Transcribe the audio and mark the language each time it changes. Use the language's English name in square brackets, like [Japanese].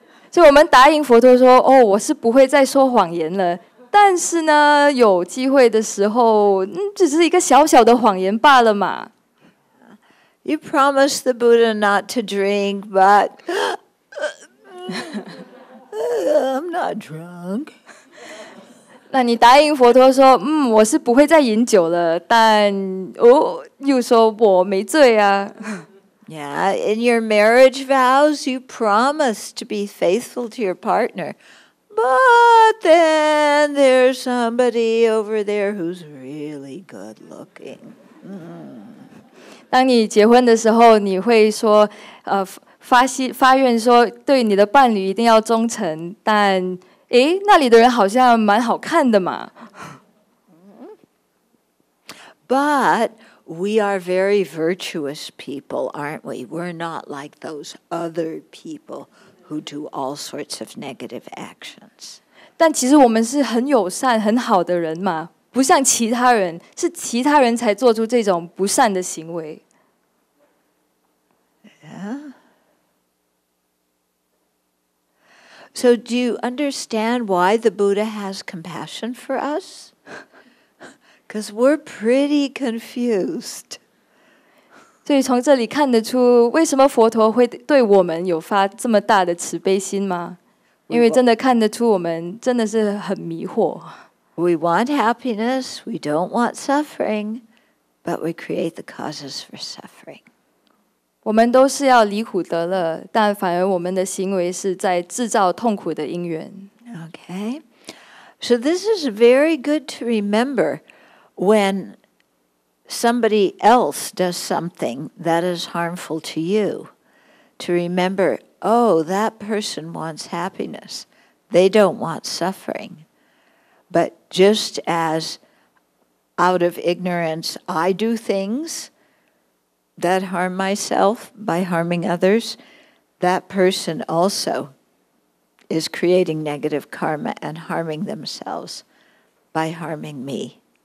[Chinese] 所以我们答应佛陀说，哦，我是不会再说谎言了。但是呢，有机会的时候，只是一个小小的谎言罢了嘛。 [English] You promised the Buddha not to drink, but I'm not drunk. [Chinese] 那你答应佛陀说，我是不会再饮酒了，但哦，又说我没醉啊。 [English] Yeah, in your marriage vows, you promised to be faithful to your partner. But then there's somebody over there who's really good looking. [Chinese] 当你结婚的时候，你会说，发愿说对你的伴侣一定要忠诚。但诶，那里的人好像蛮好看的嘛。 [English] But we are very virtuous people, aren't we? We're not like those other people. Who do all sorts of negative actions? [Chinese] 但其实我们是很友善、很好的人嘛，不像其他人，是其他人才做出这种不善的行为。 [English] So do you understand why the Buddha has compassion for us? Because we're pretty confused. [Chinese] 所以从这里看得出，为什么佛陀会对我们有发这么大的慈悲心吗？因为真的看得出我们真的是很迷惑。 [English] We want happiness, we don't want suffering, but we create the causes for suffering. [Chinese] 我们都是要离苦得乐，但反而我们的行为是在制造痛苦的因缘。 [English] Okay, so this is very good to remember when. Somebody else does something that is harmful to you. To remember, oh, that person wants happiness. They don't want suffering. But just as out of ignorance, I do things that harm myself by harming others, that person also is creating negative karma and harming themselves by harming me.